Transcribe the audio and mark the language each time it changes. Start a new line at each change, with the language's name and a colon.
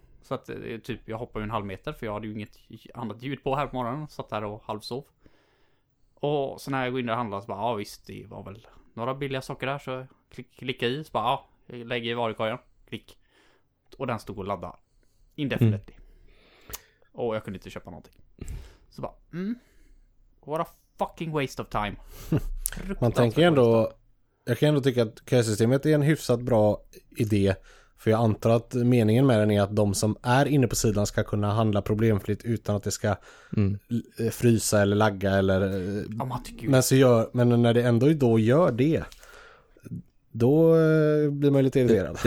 Swedish: Så att typ, jag hoppar ju en halv meter för jag hade ju inget annat ljud på här på morgonen. Satt där och halvsov. Och så när jag går in och handlar så bara, ja visst, det var väl några billiga saker där. Så klickar i, så bara, ja, lägger i varukorgen. Klick. Och den stod och laddade. Indefinitely. Mm. Och jag kunde inte köpa någonting. Så bara,
English: what a fucking waste of time.
Swedish: Man tänker ändå, jag kan ändå tycka att kösystemet är en hyfsat bra idé, för jag antar att meningen med den är att de som är inne på sidan ska kunna handla problemfritt utan att det ska frysa eller lagga eller, men när det ändå då gör det, då blir man ju lite irriterad.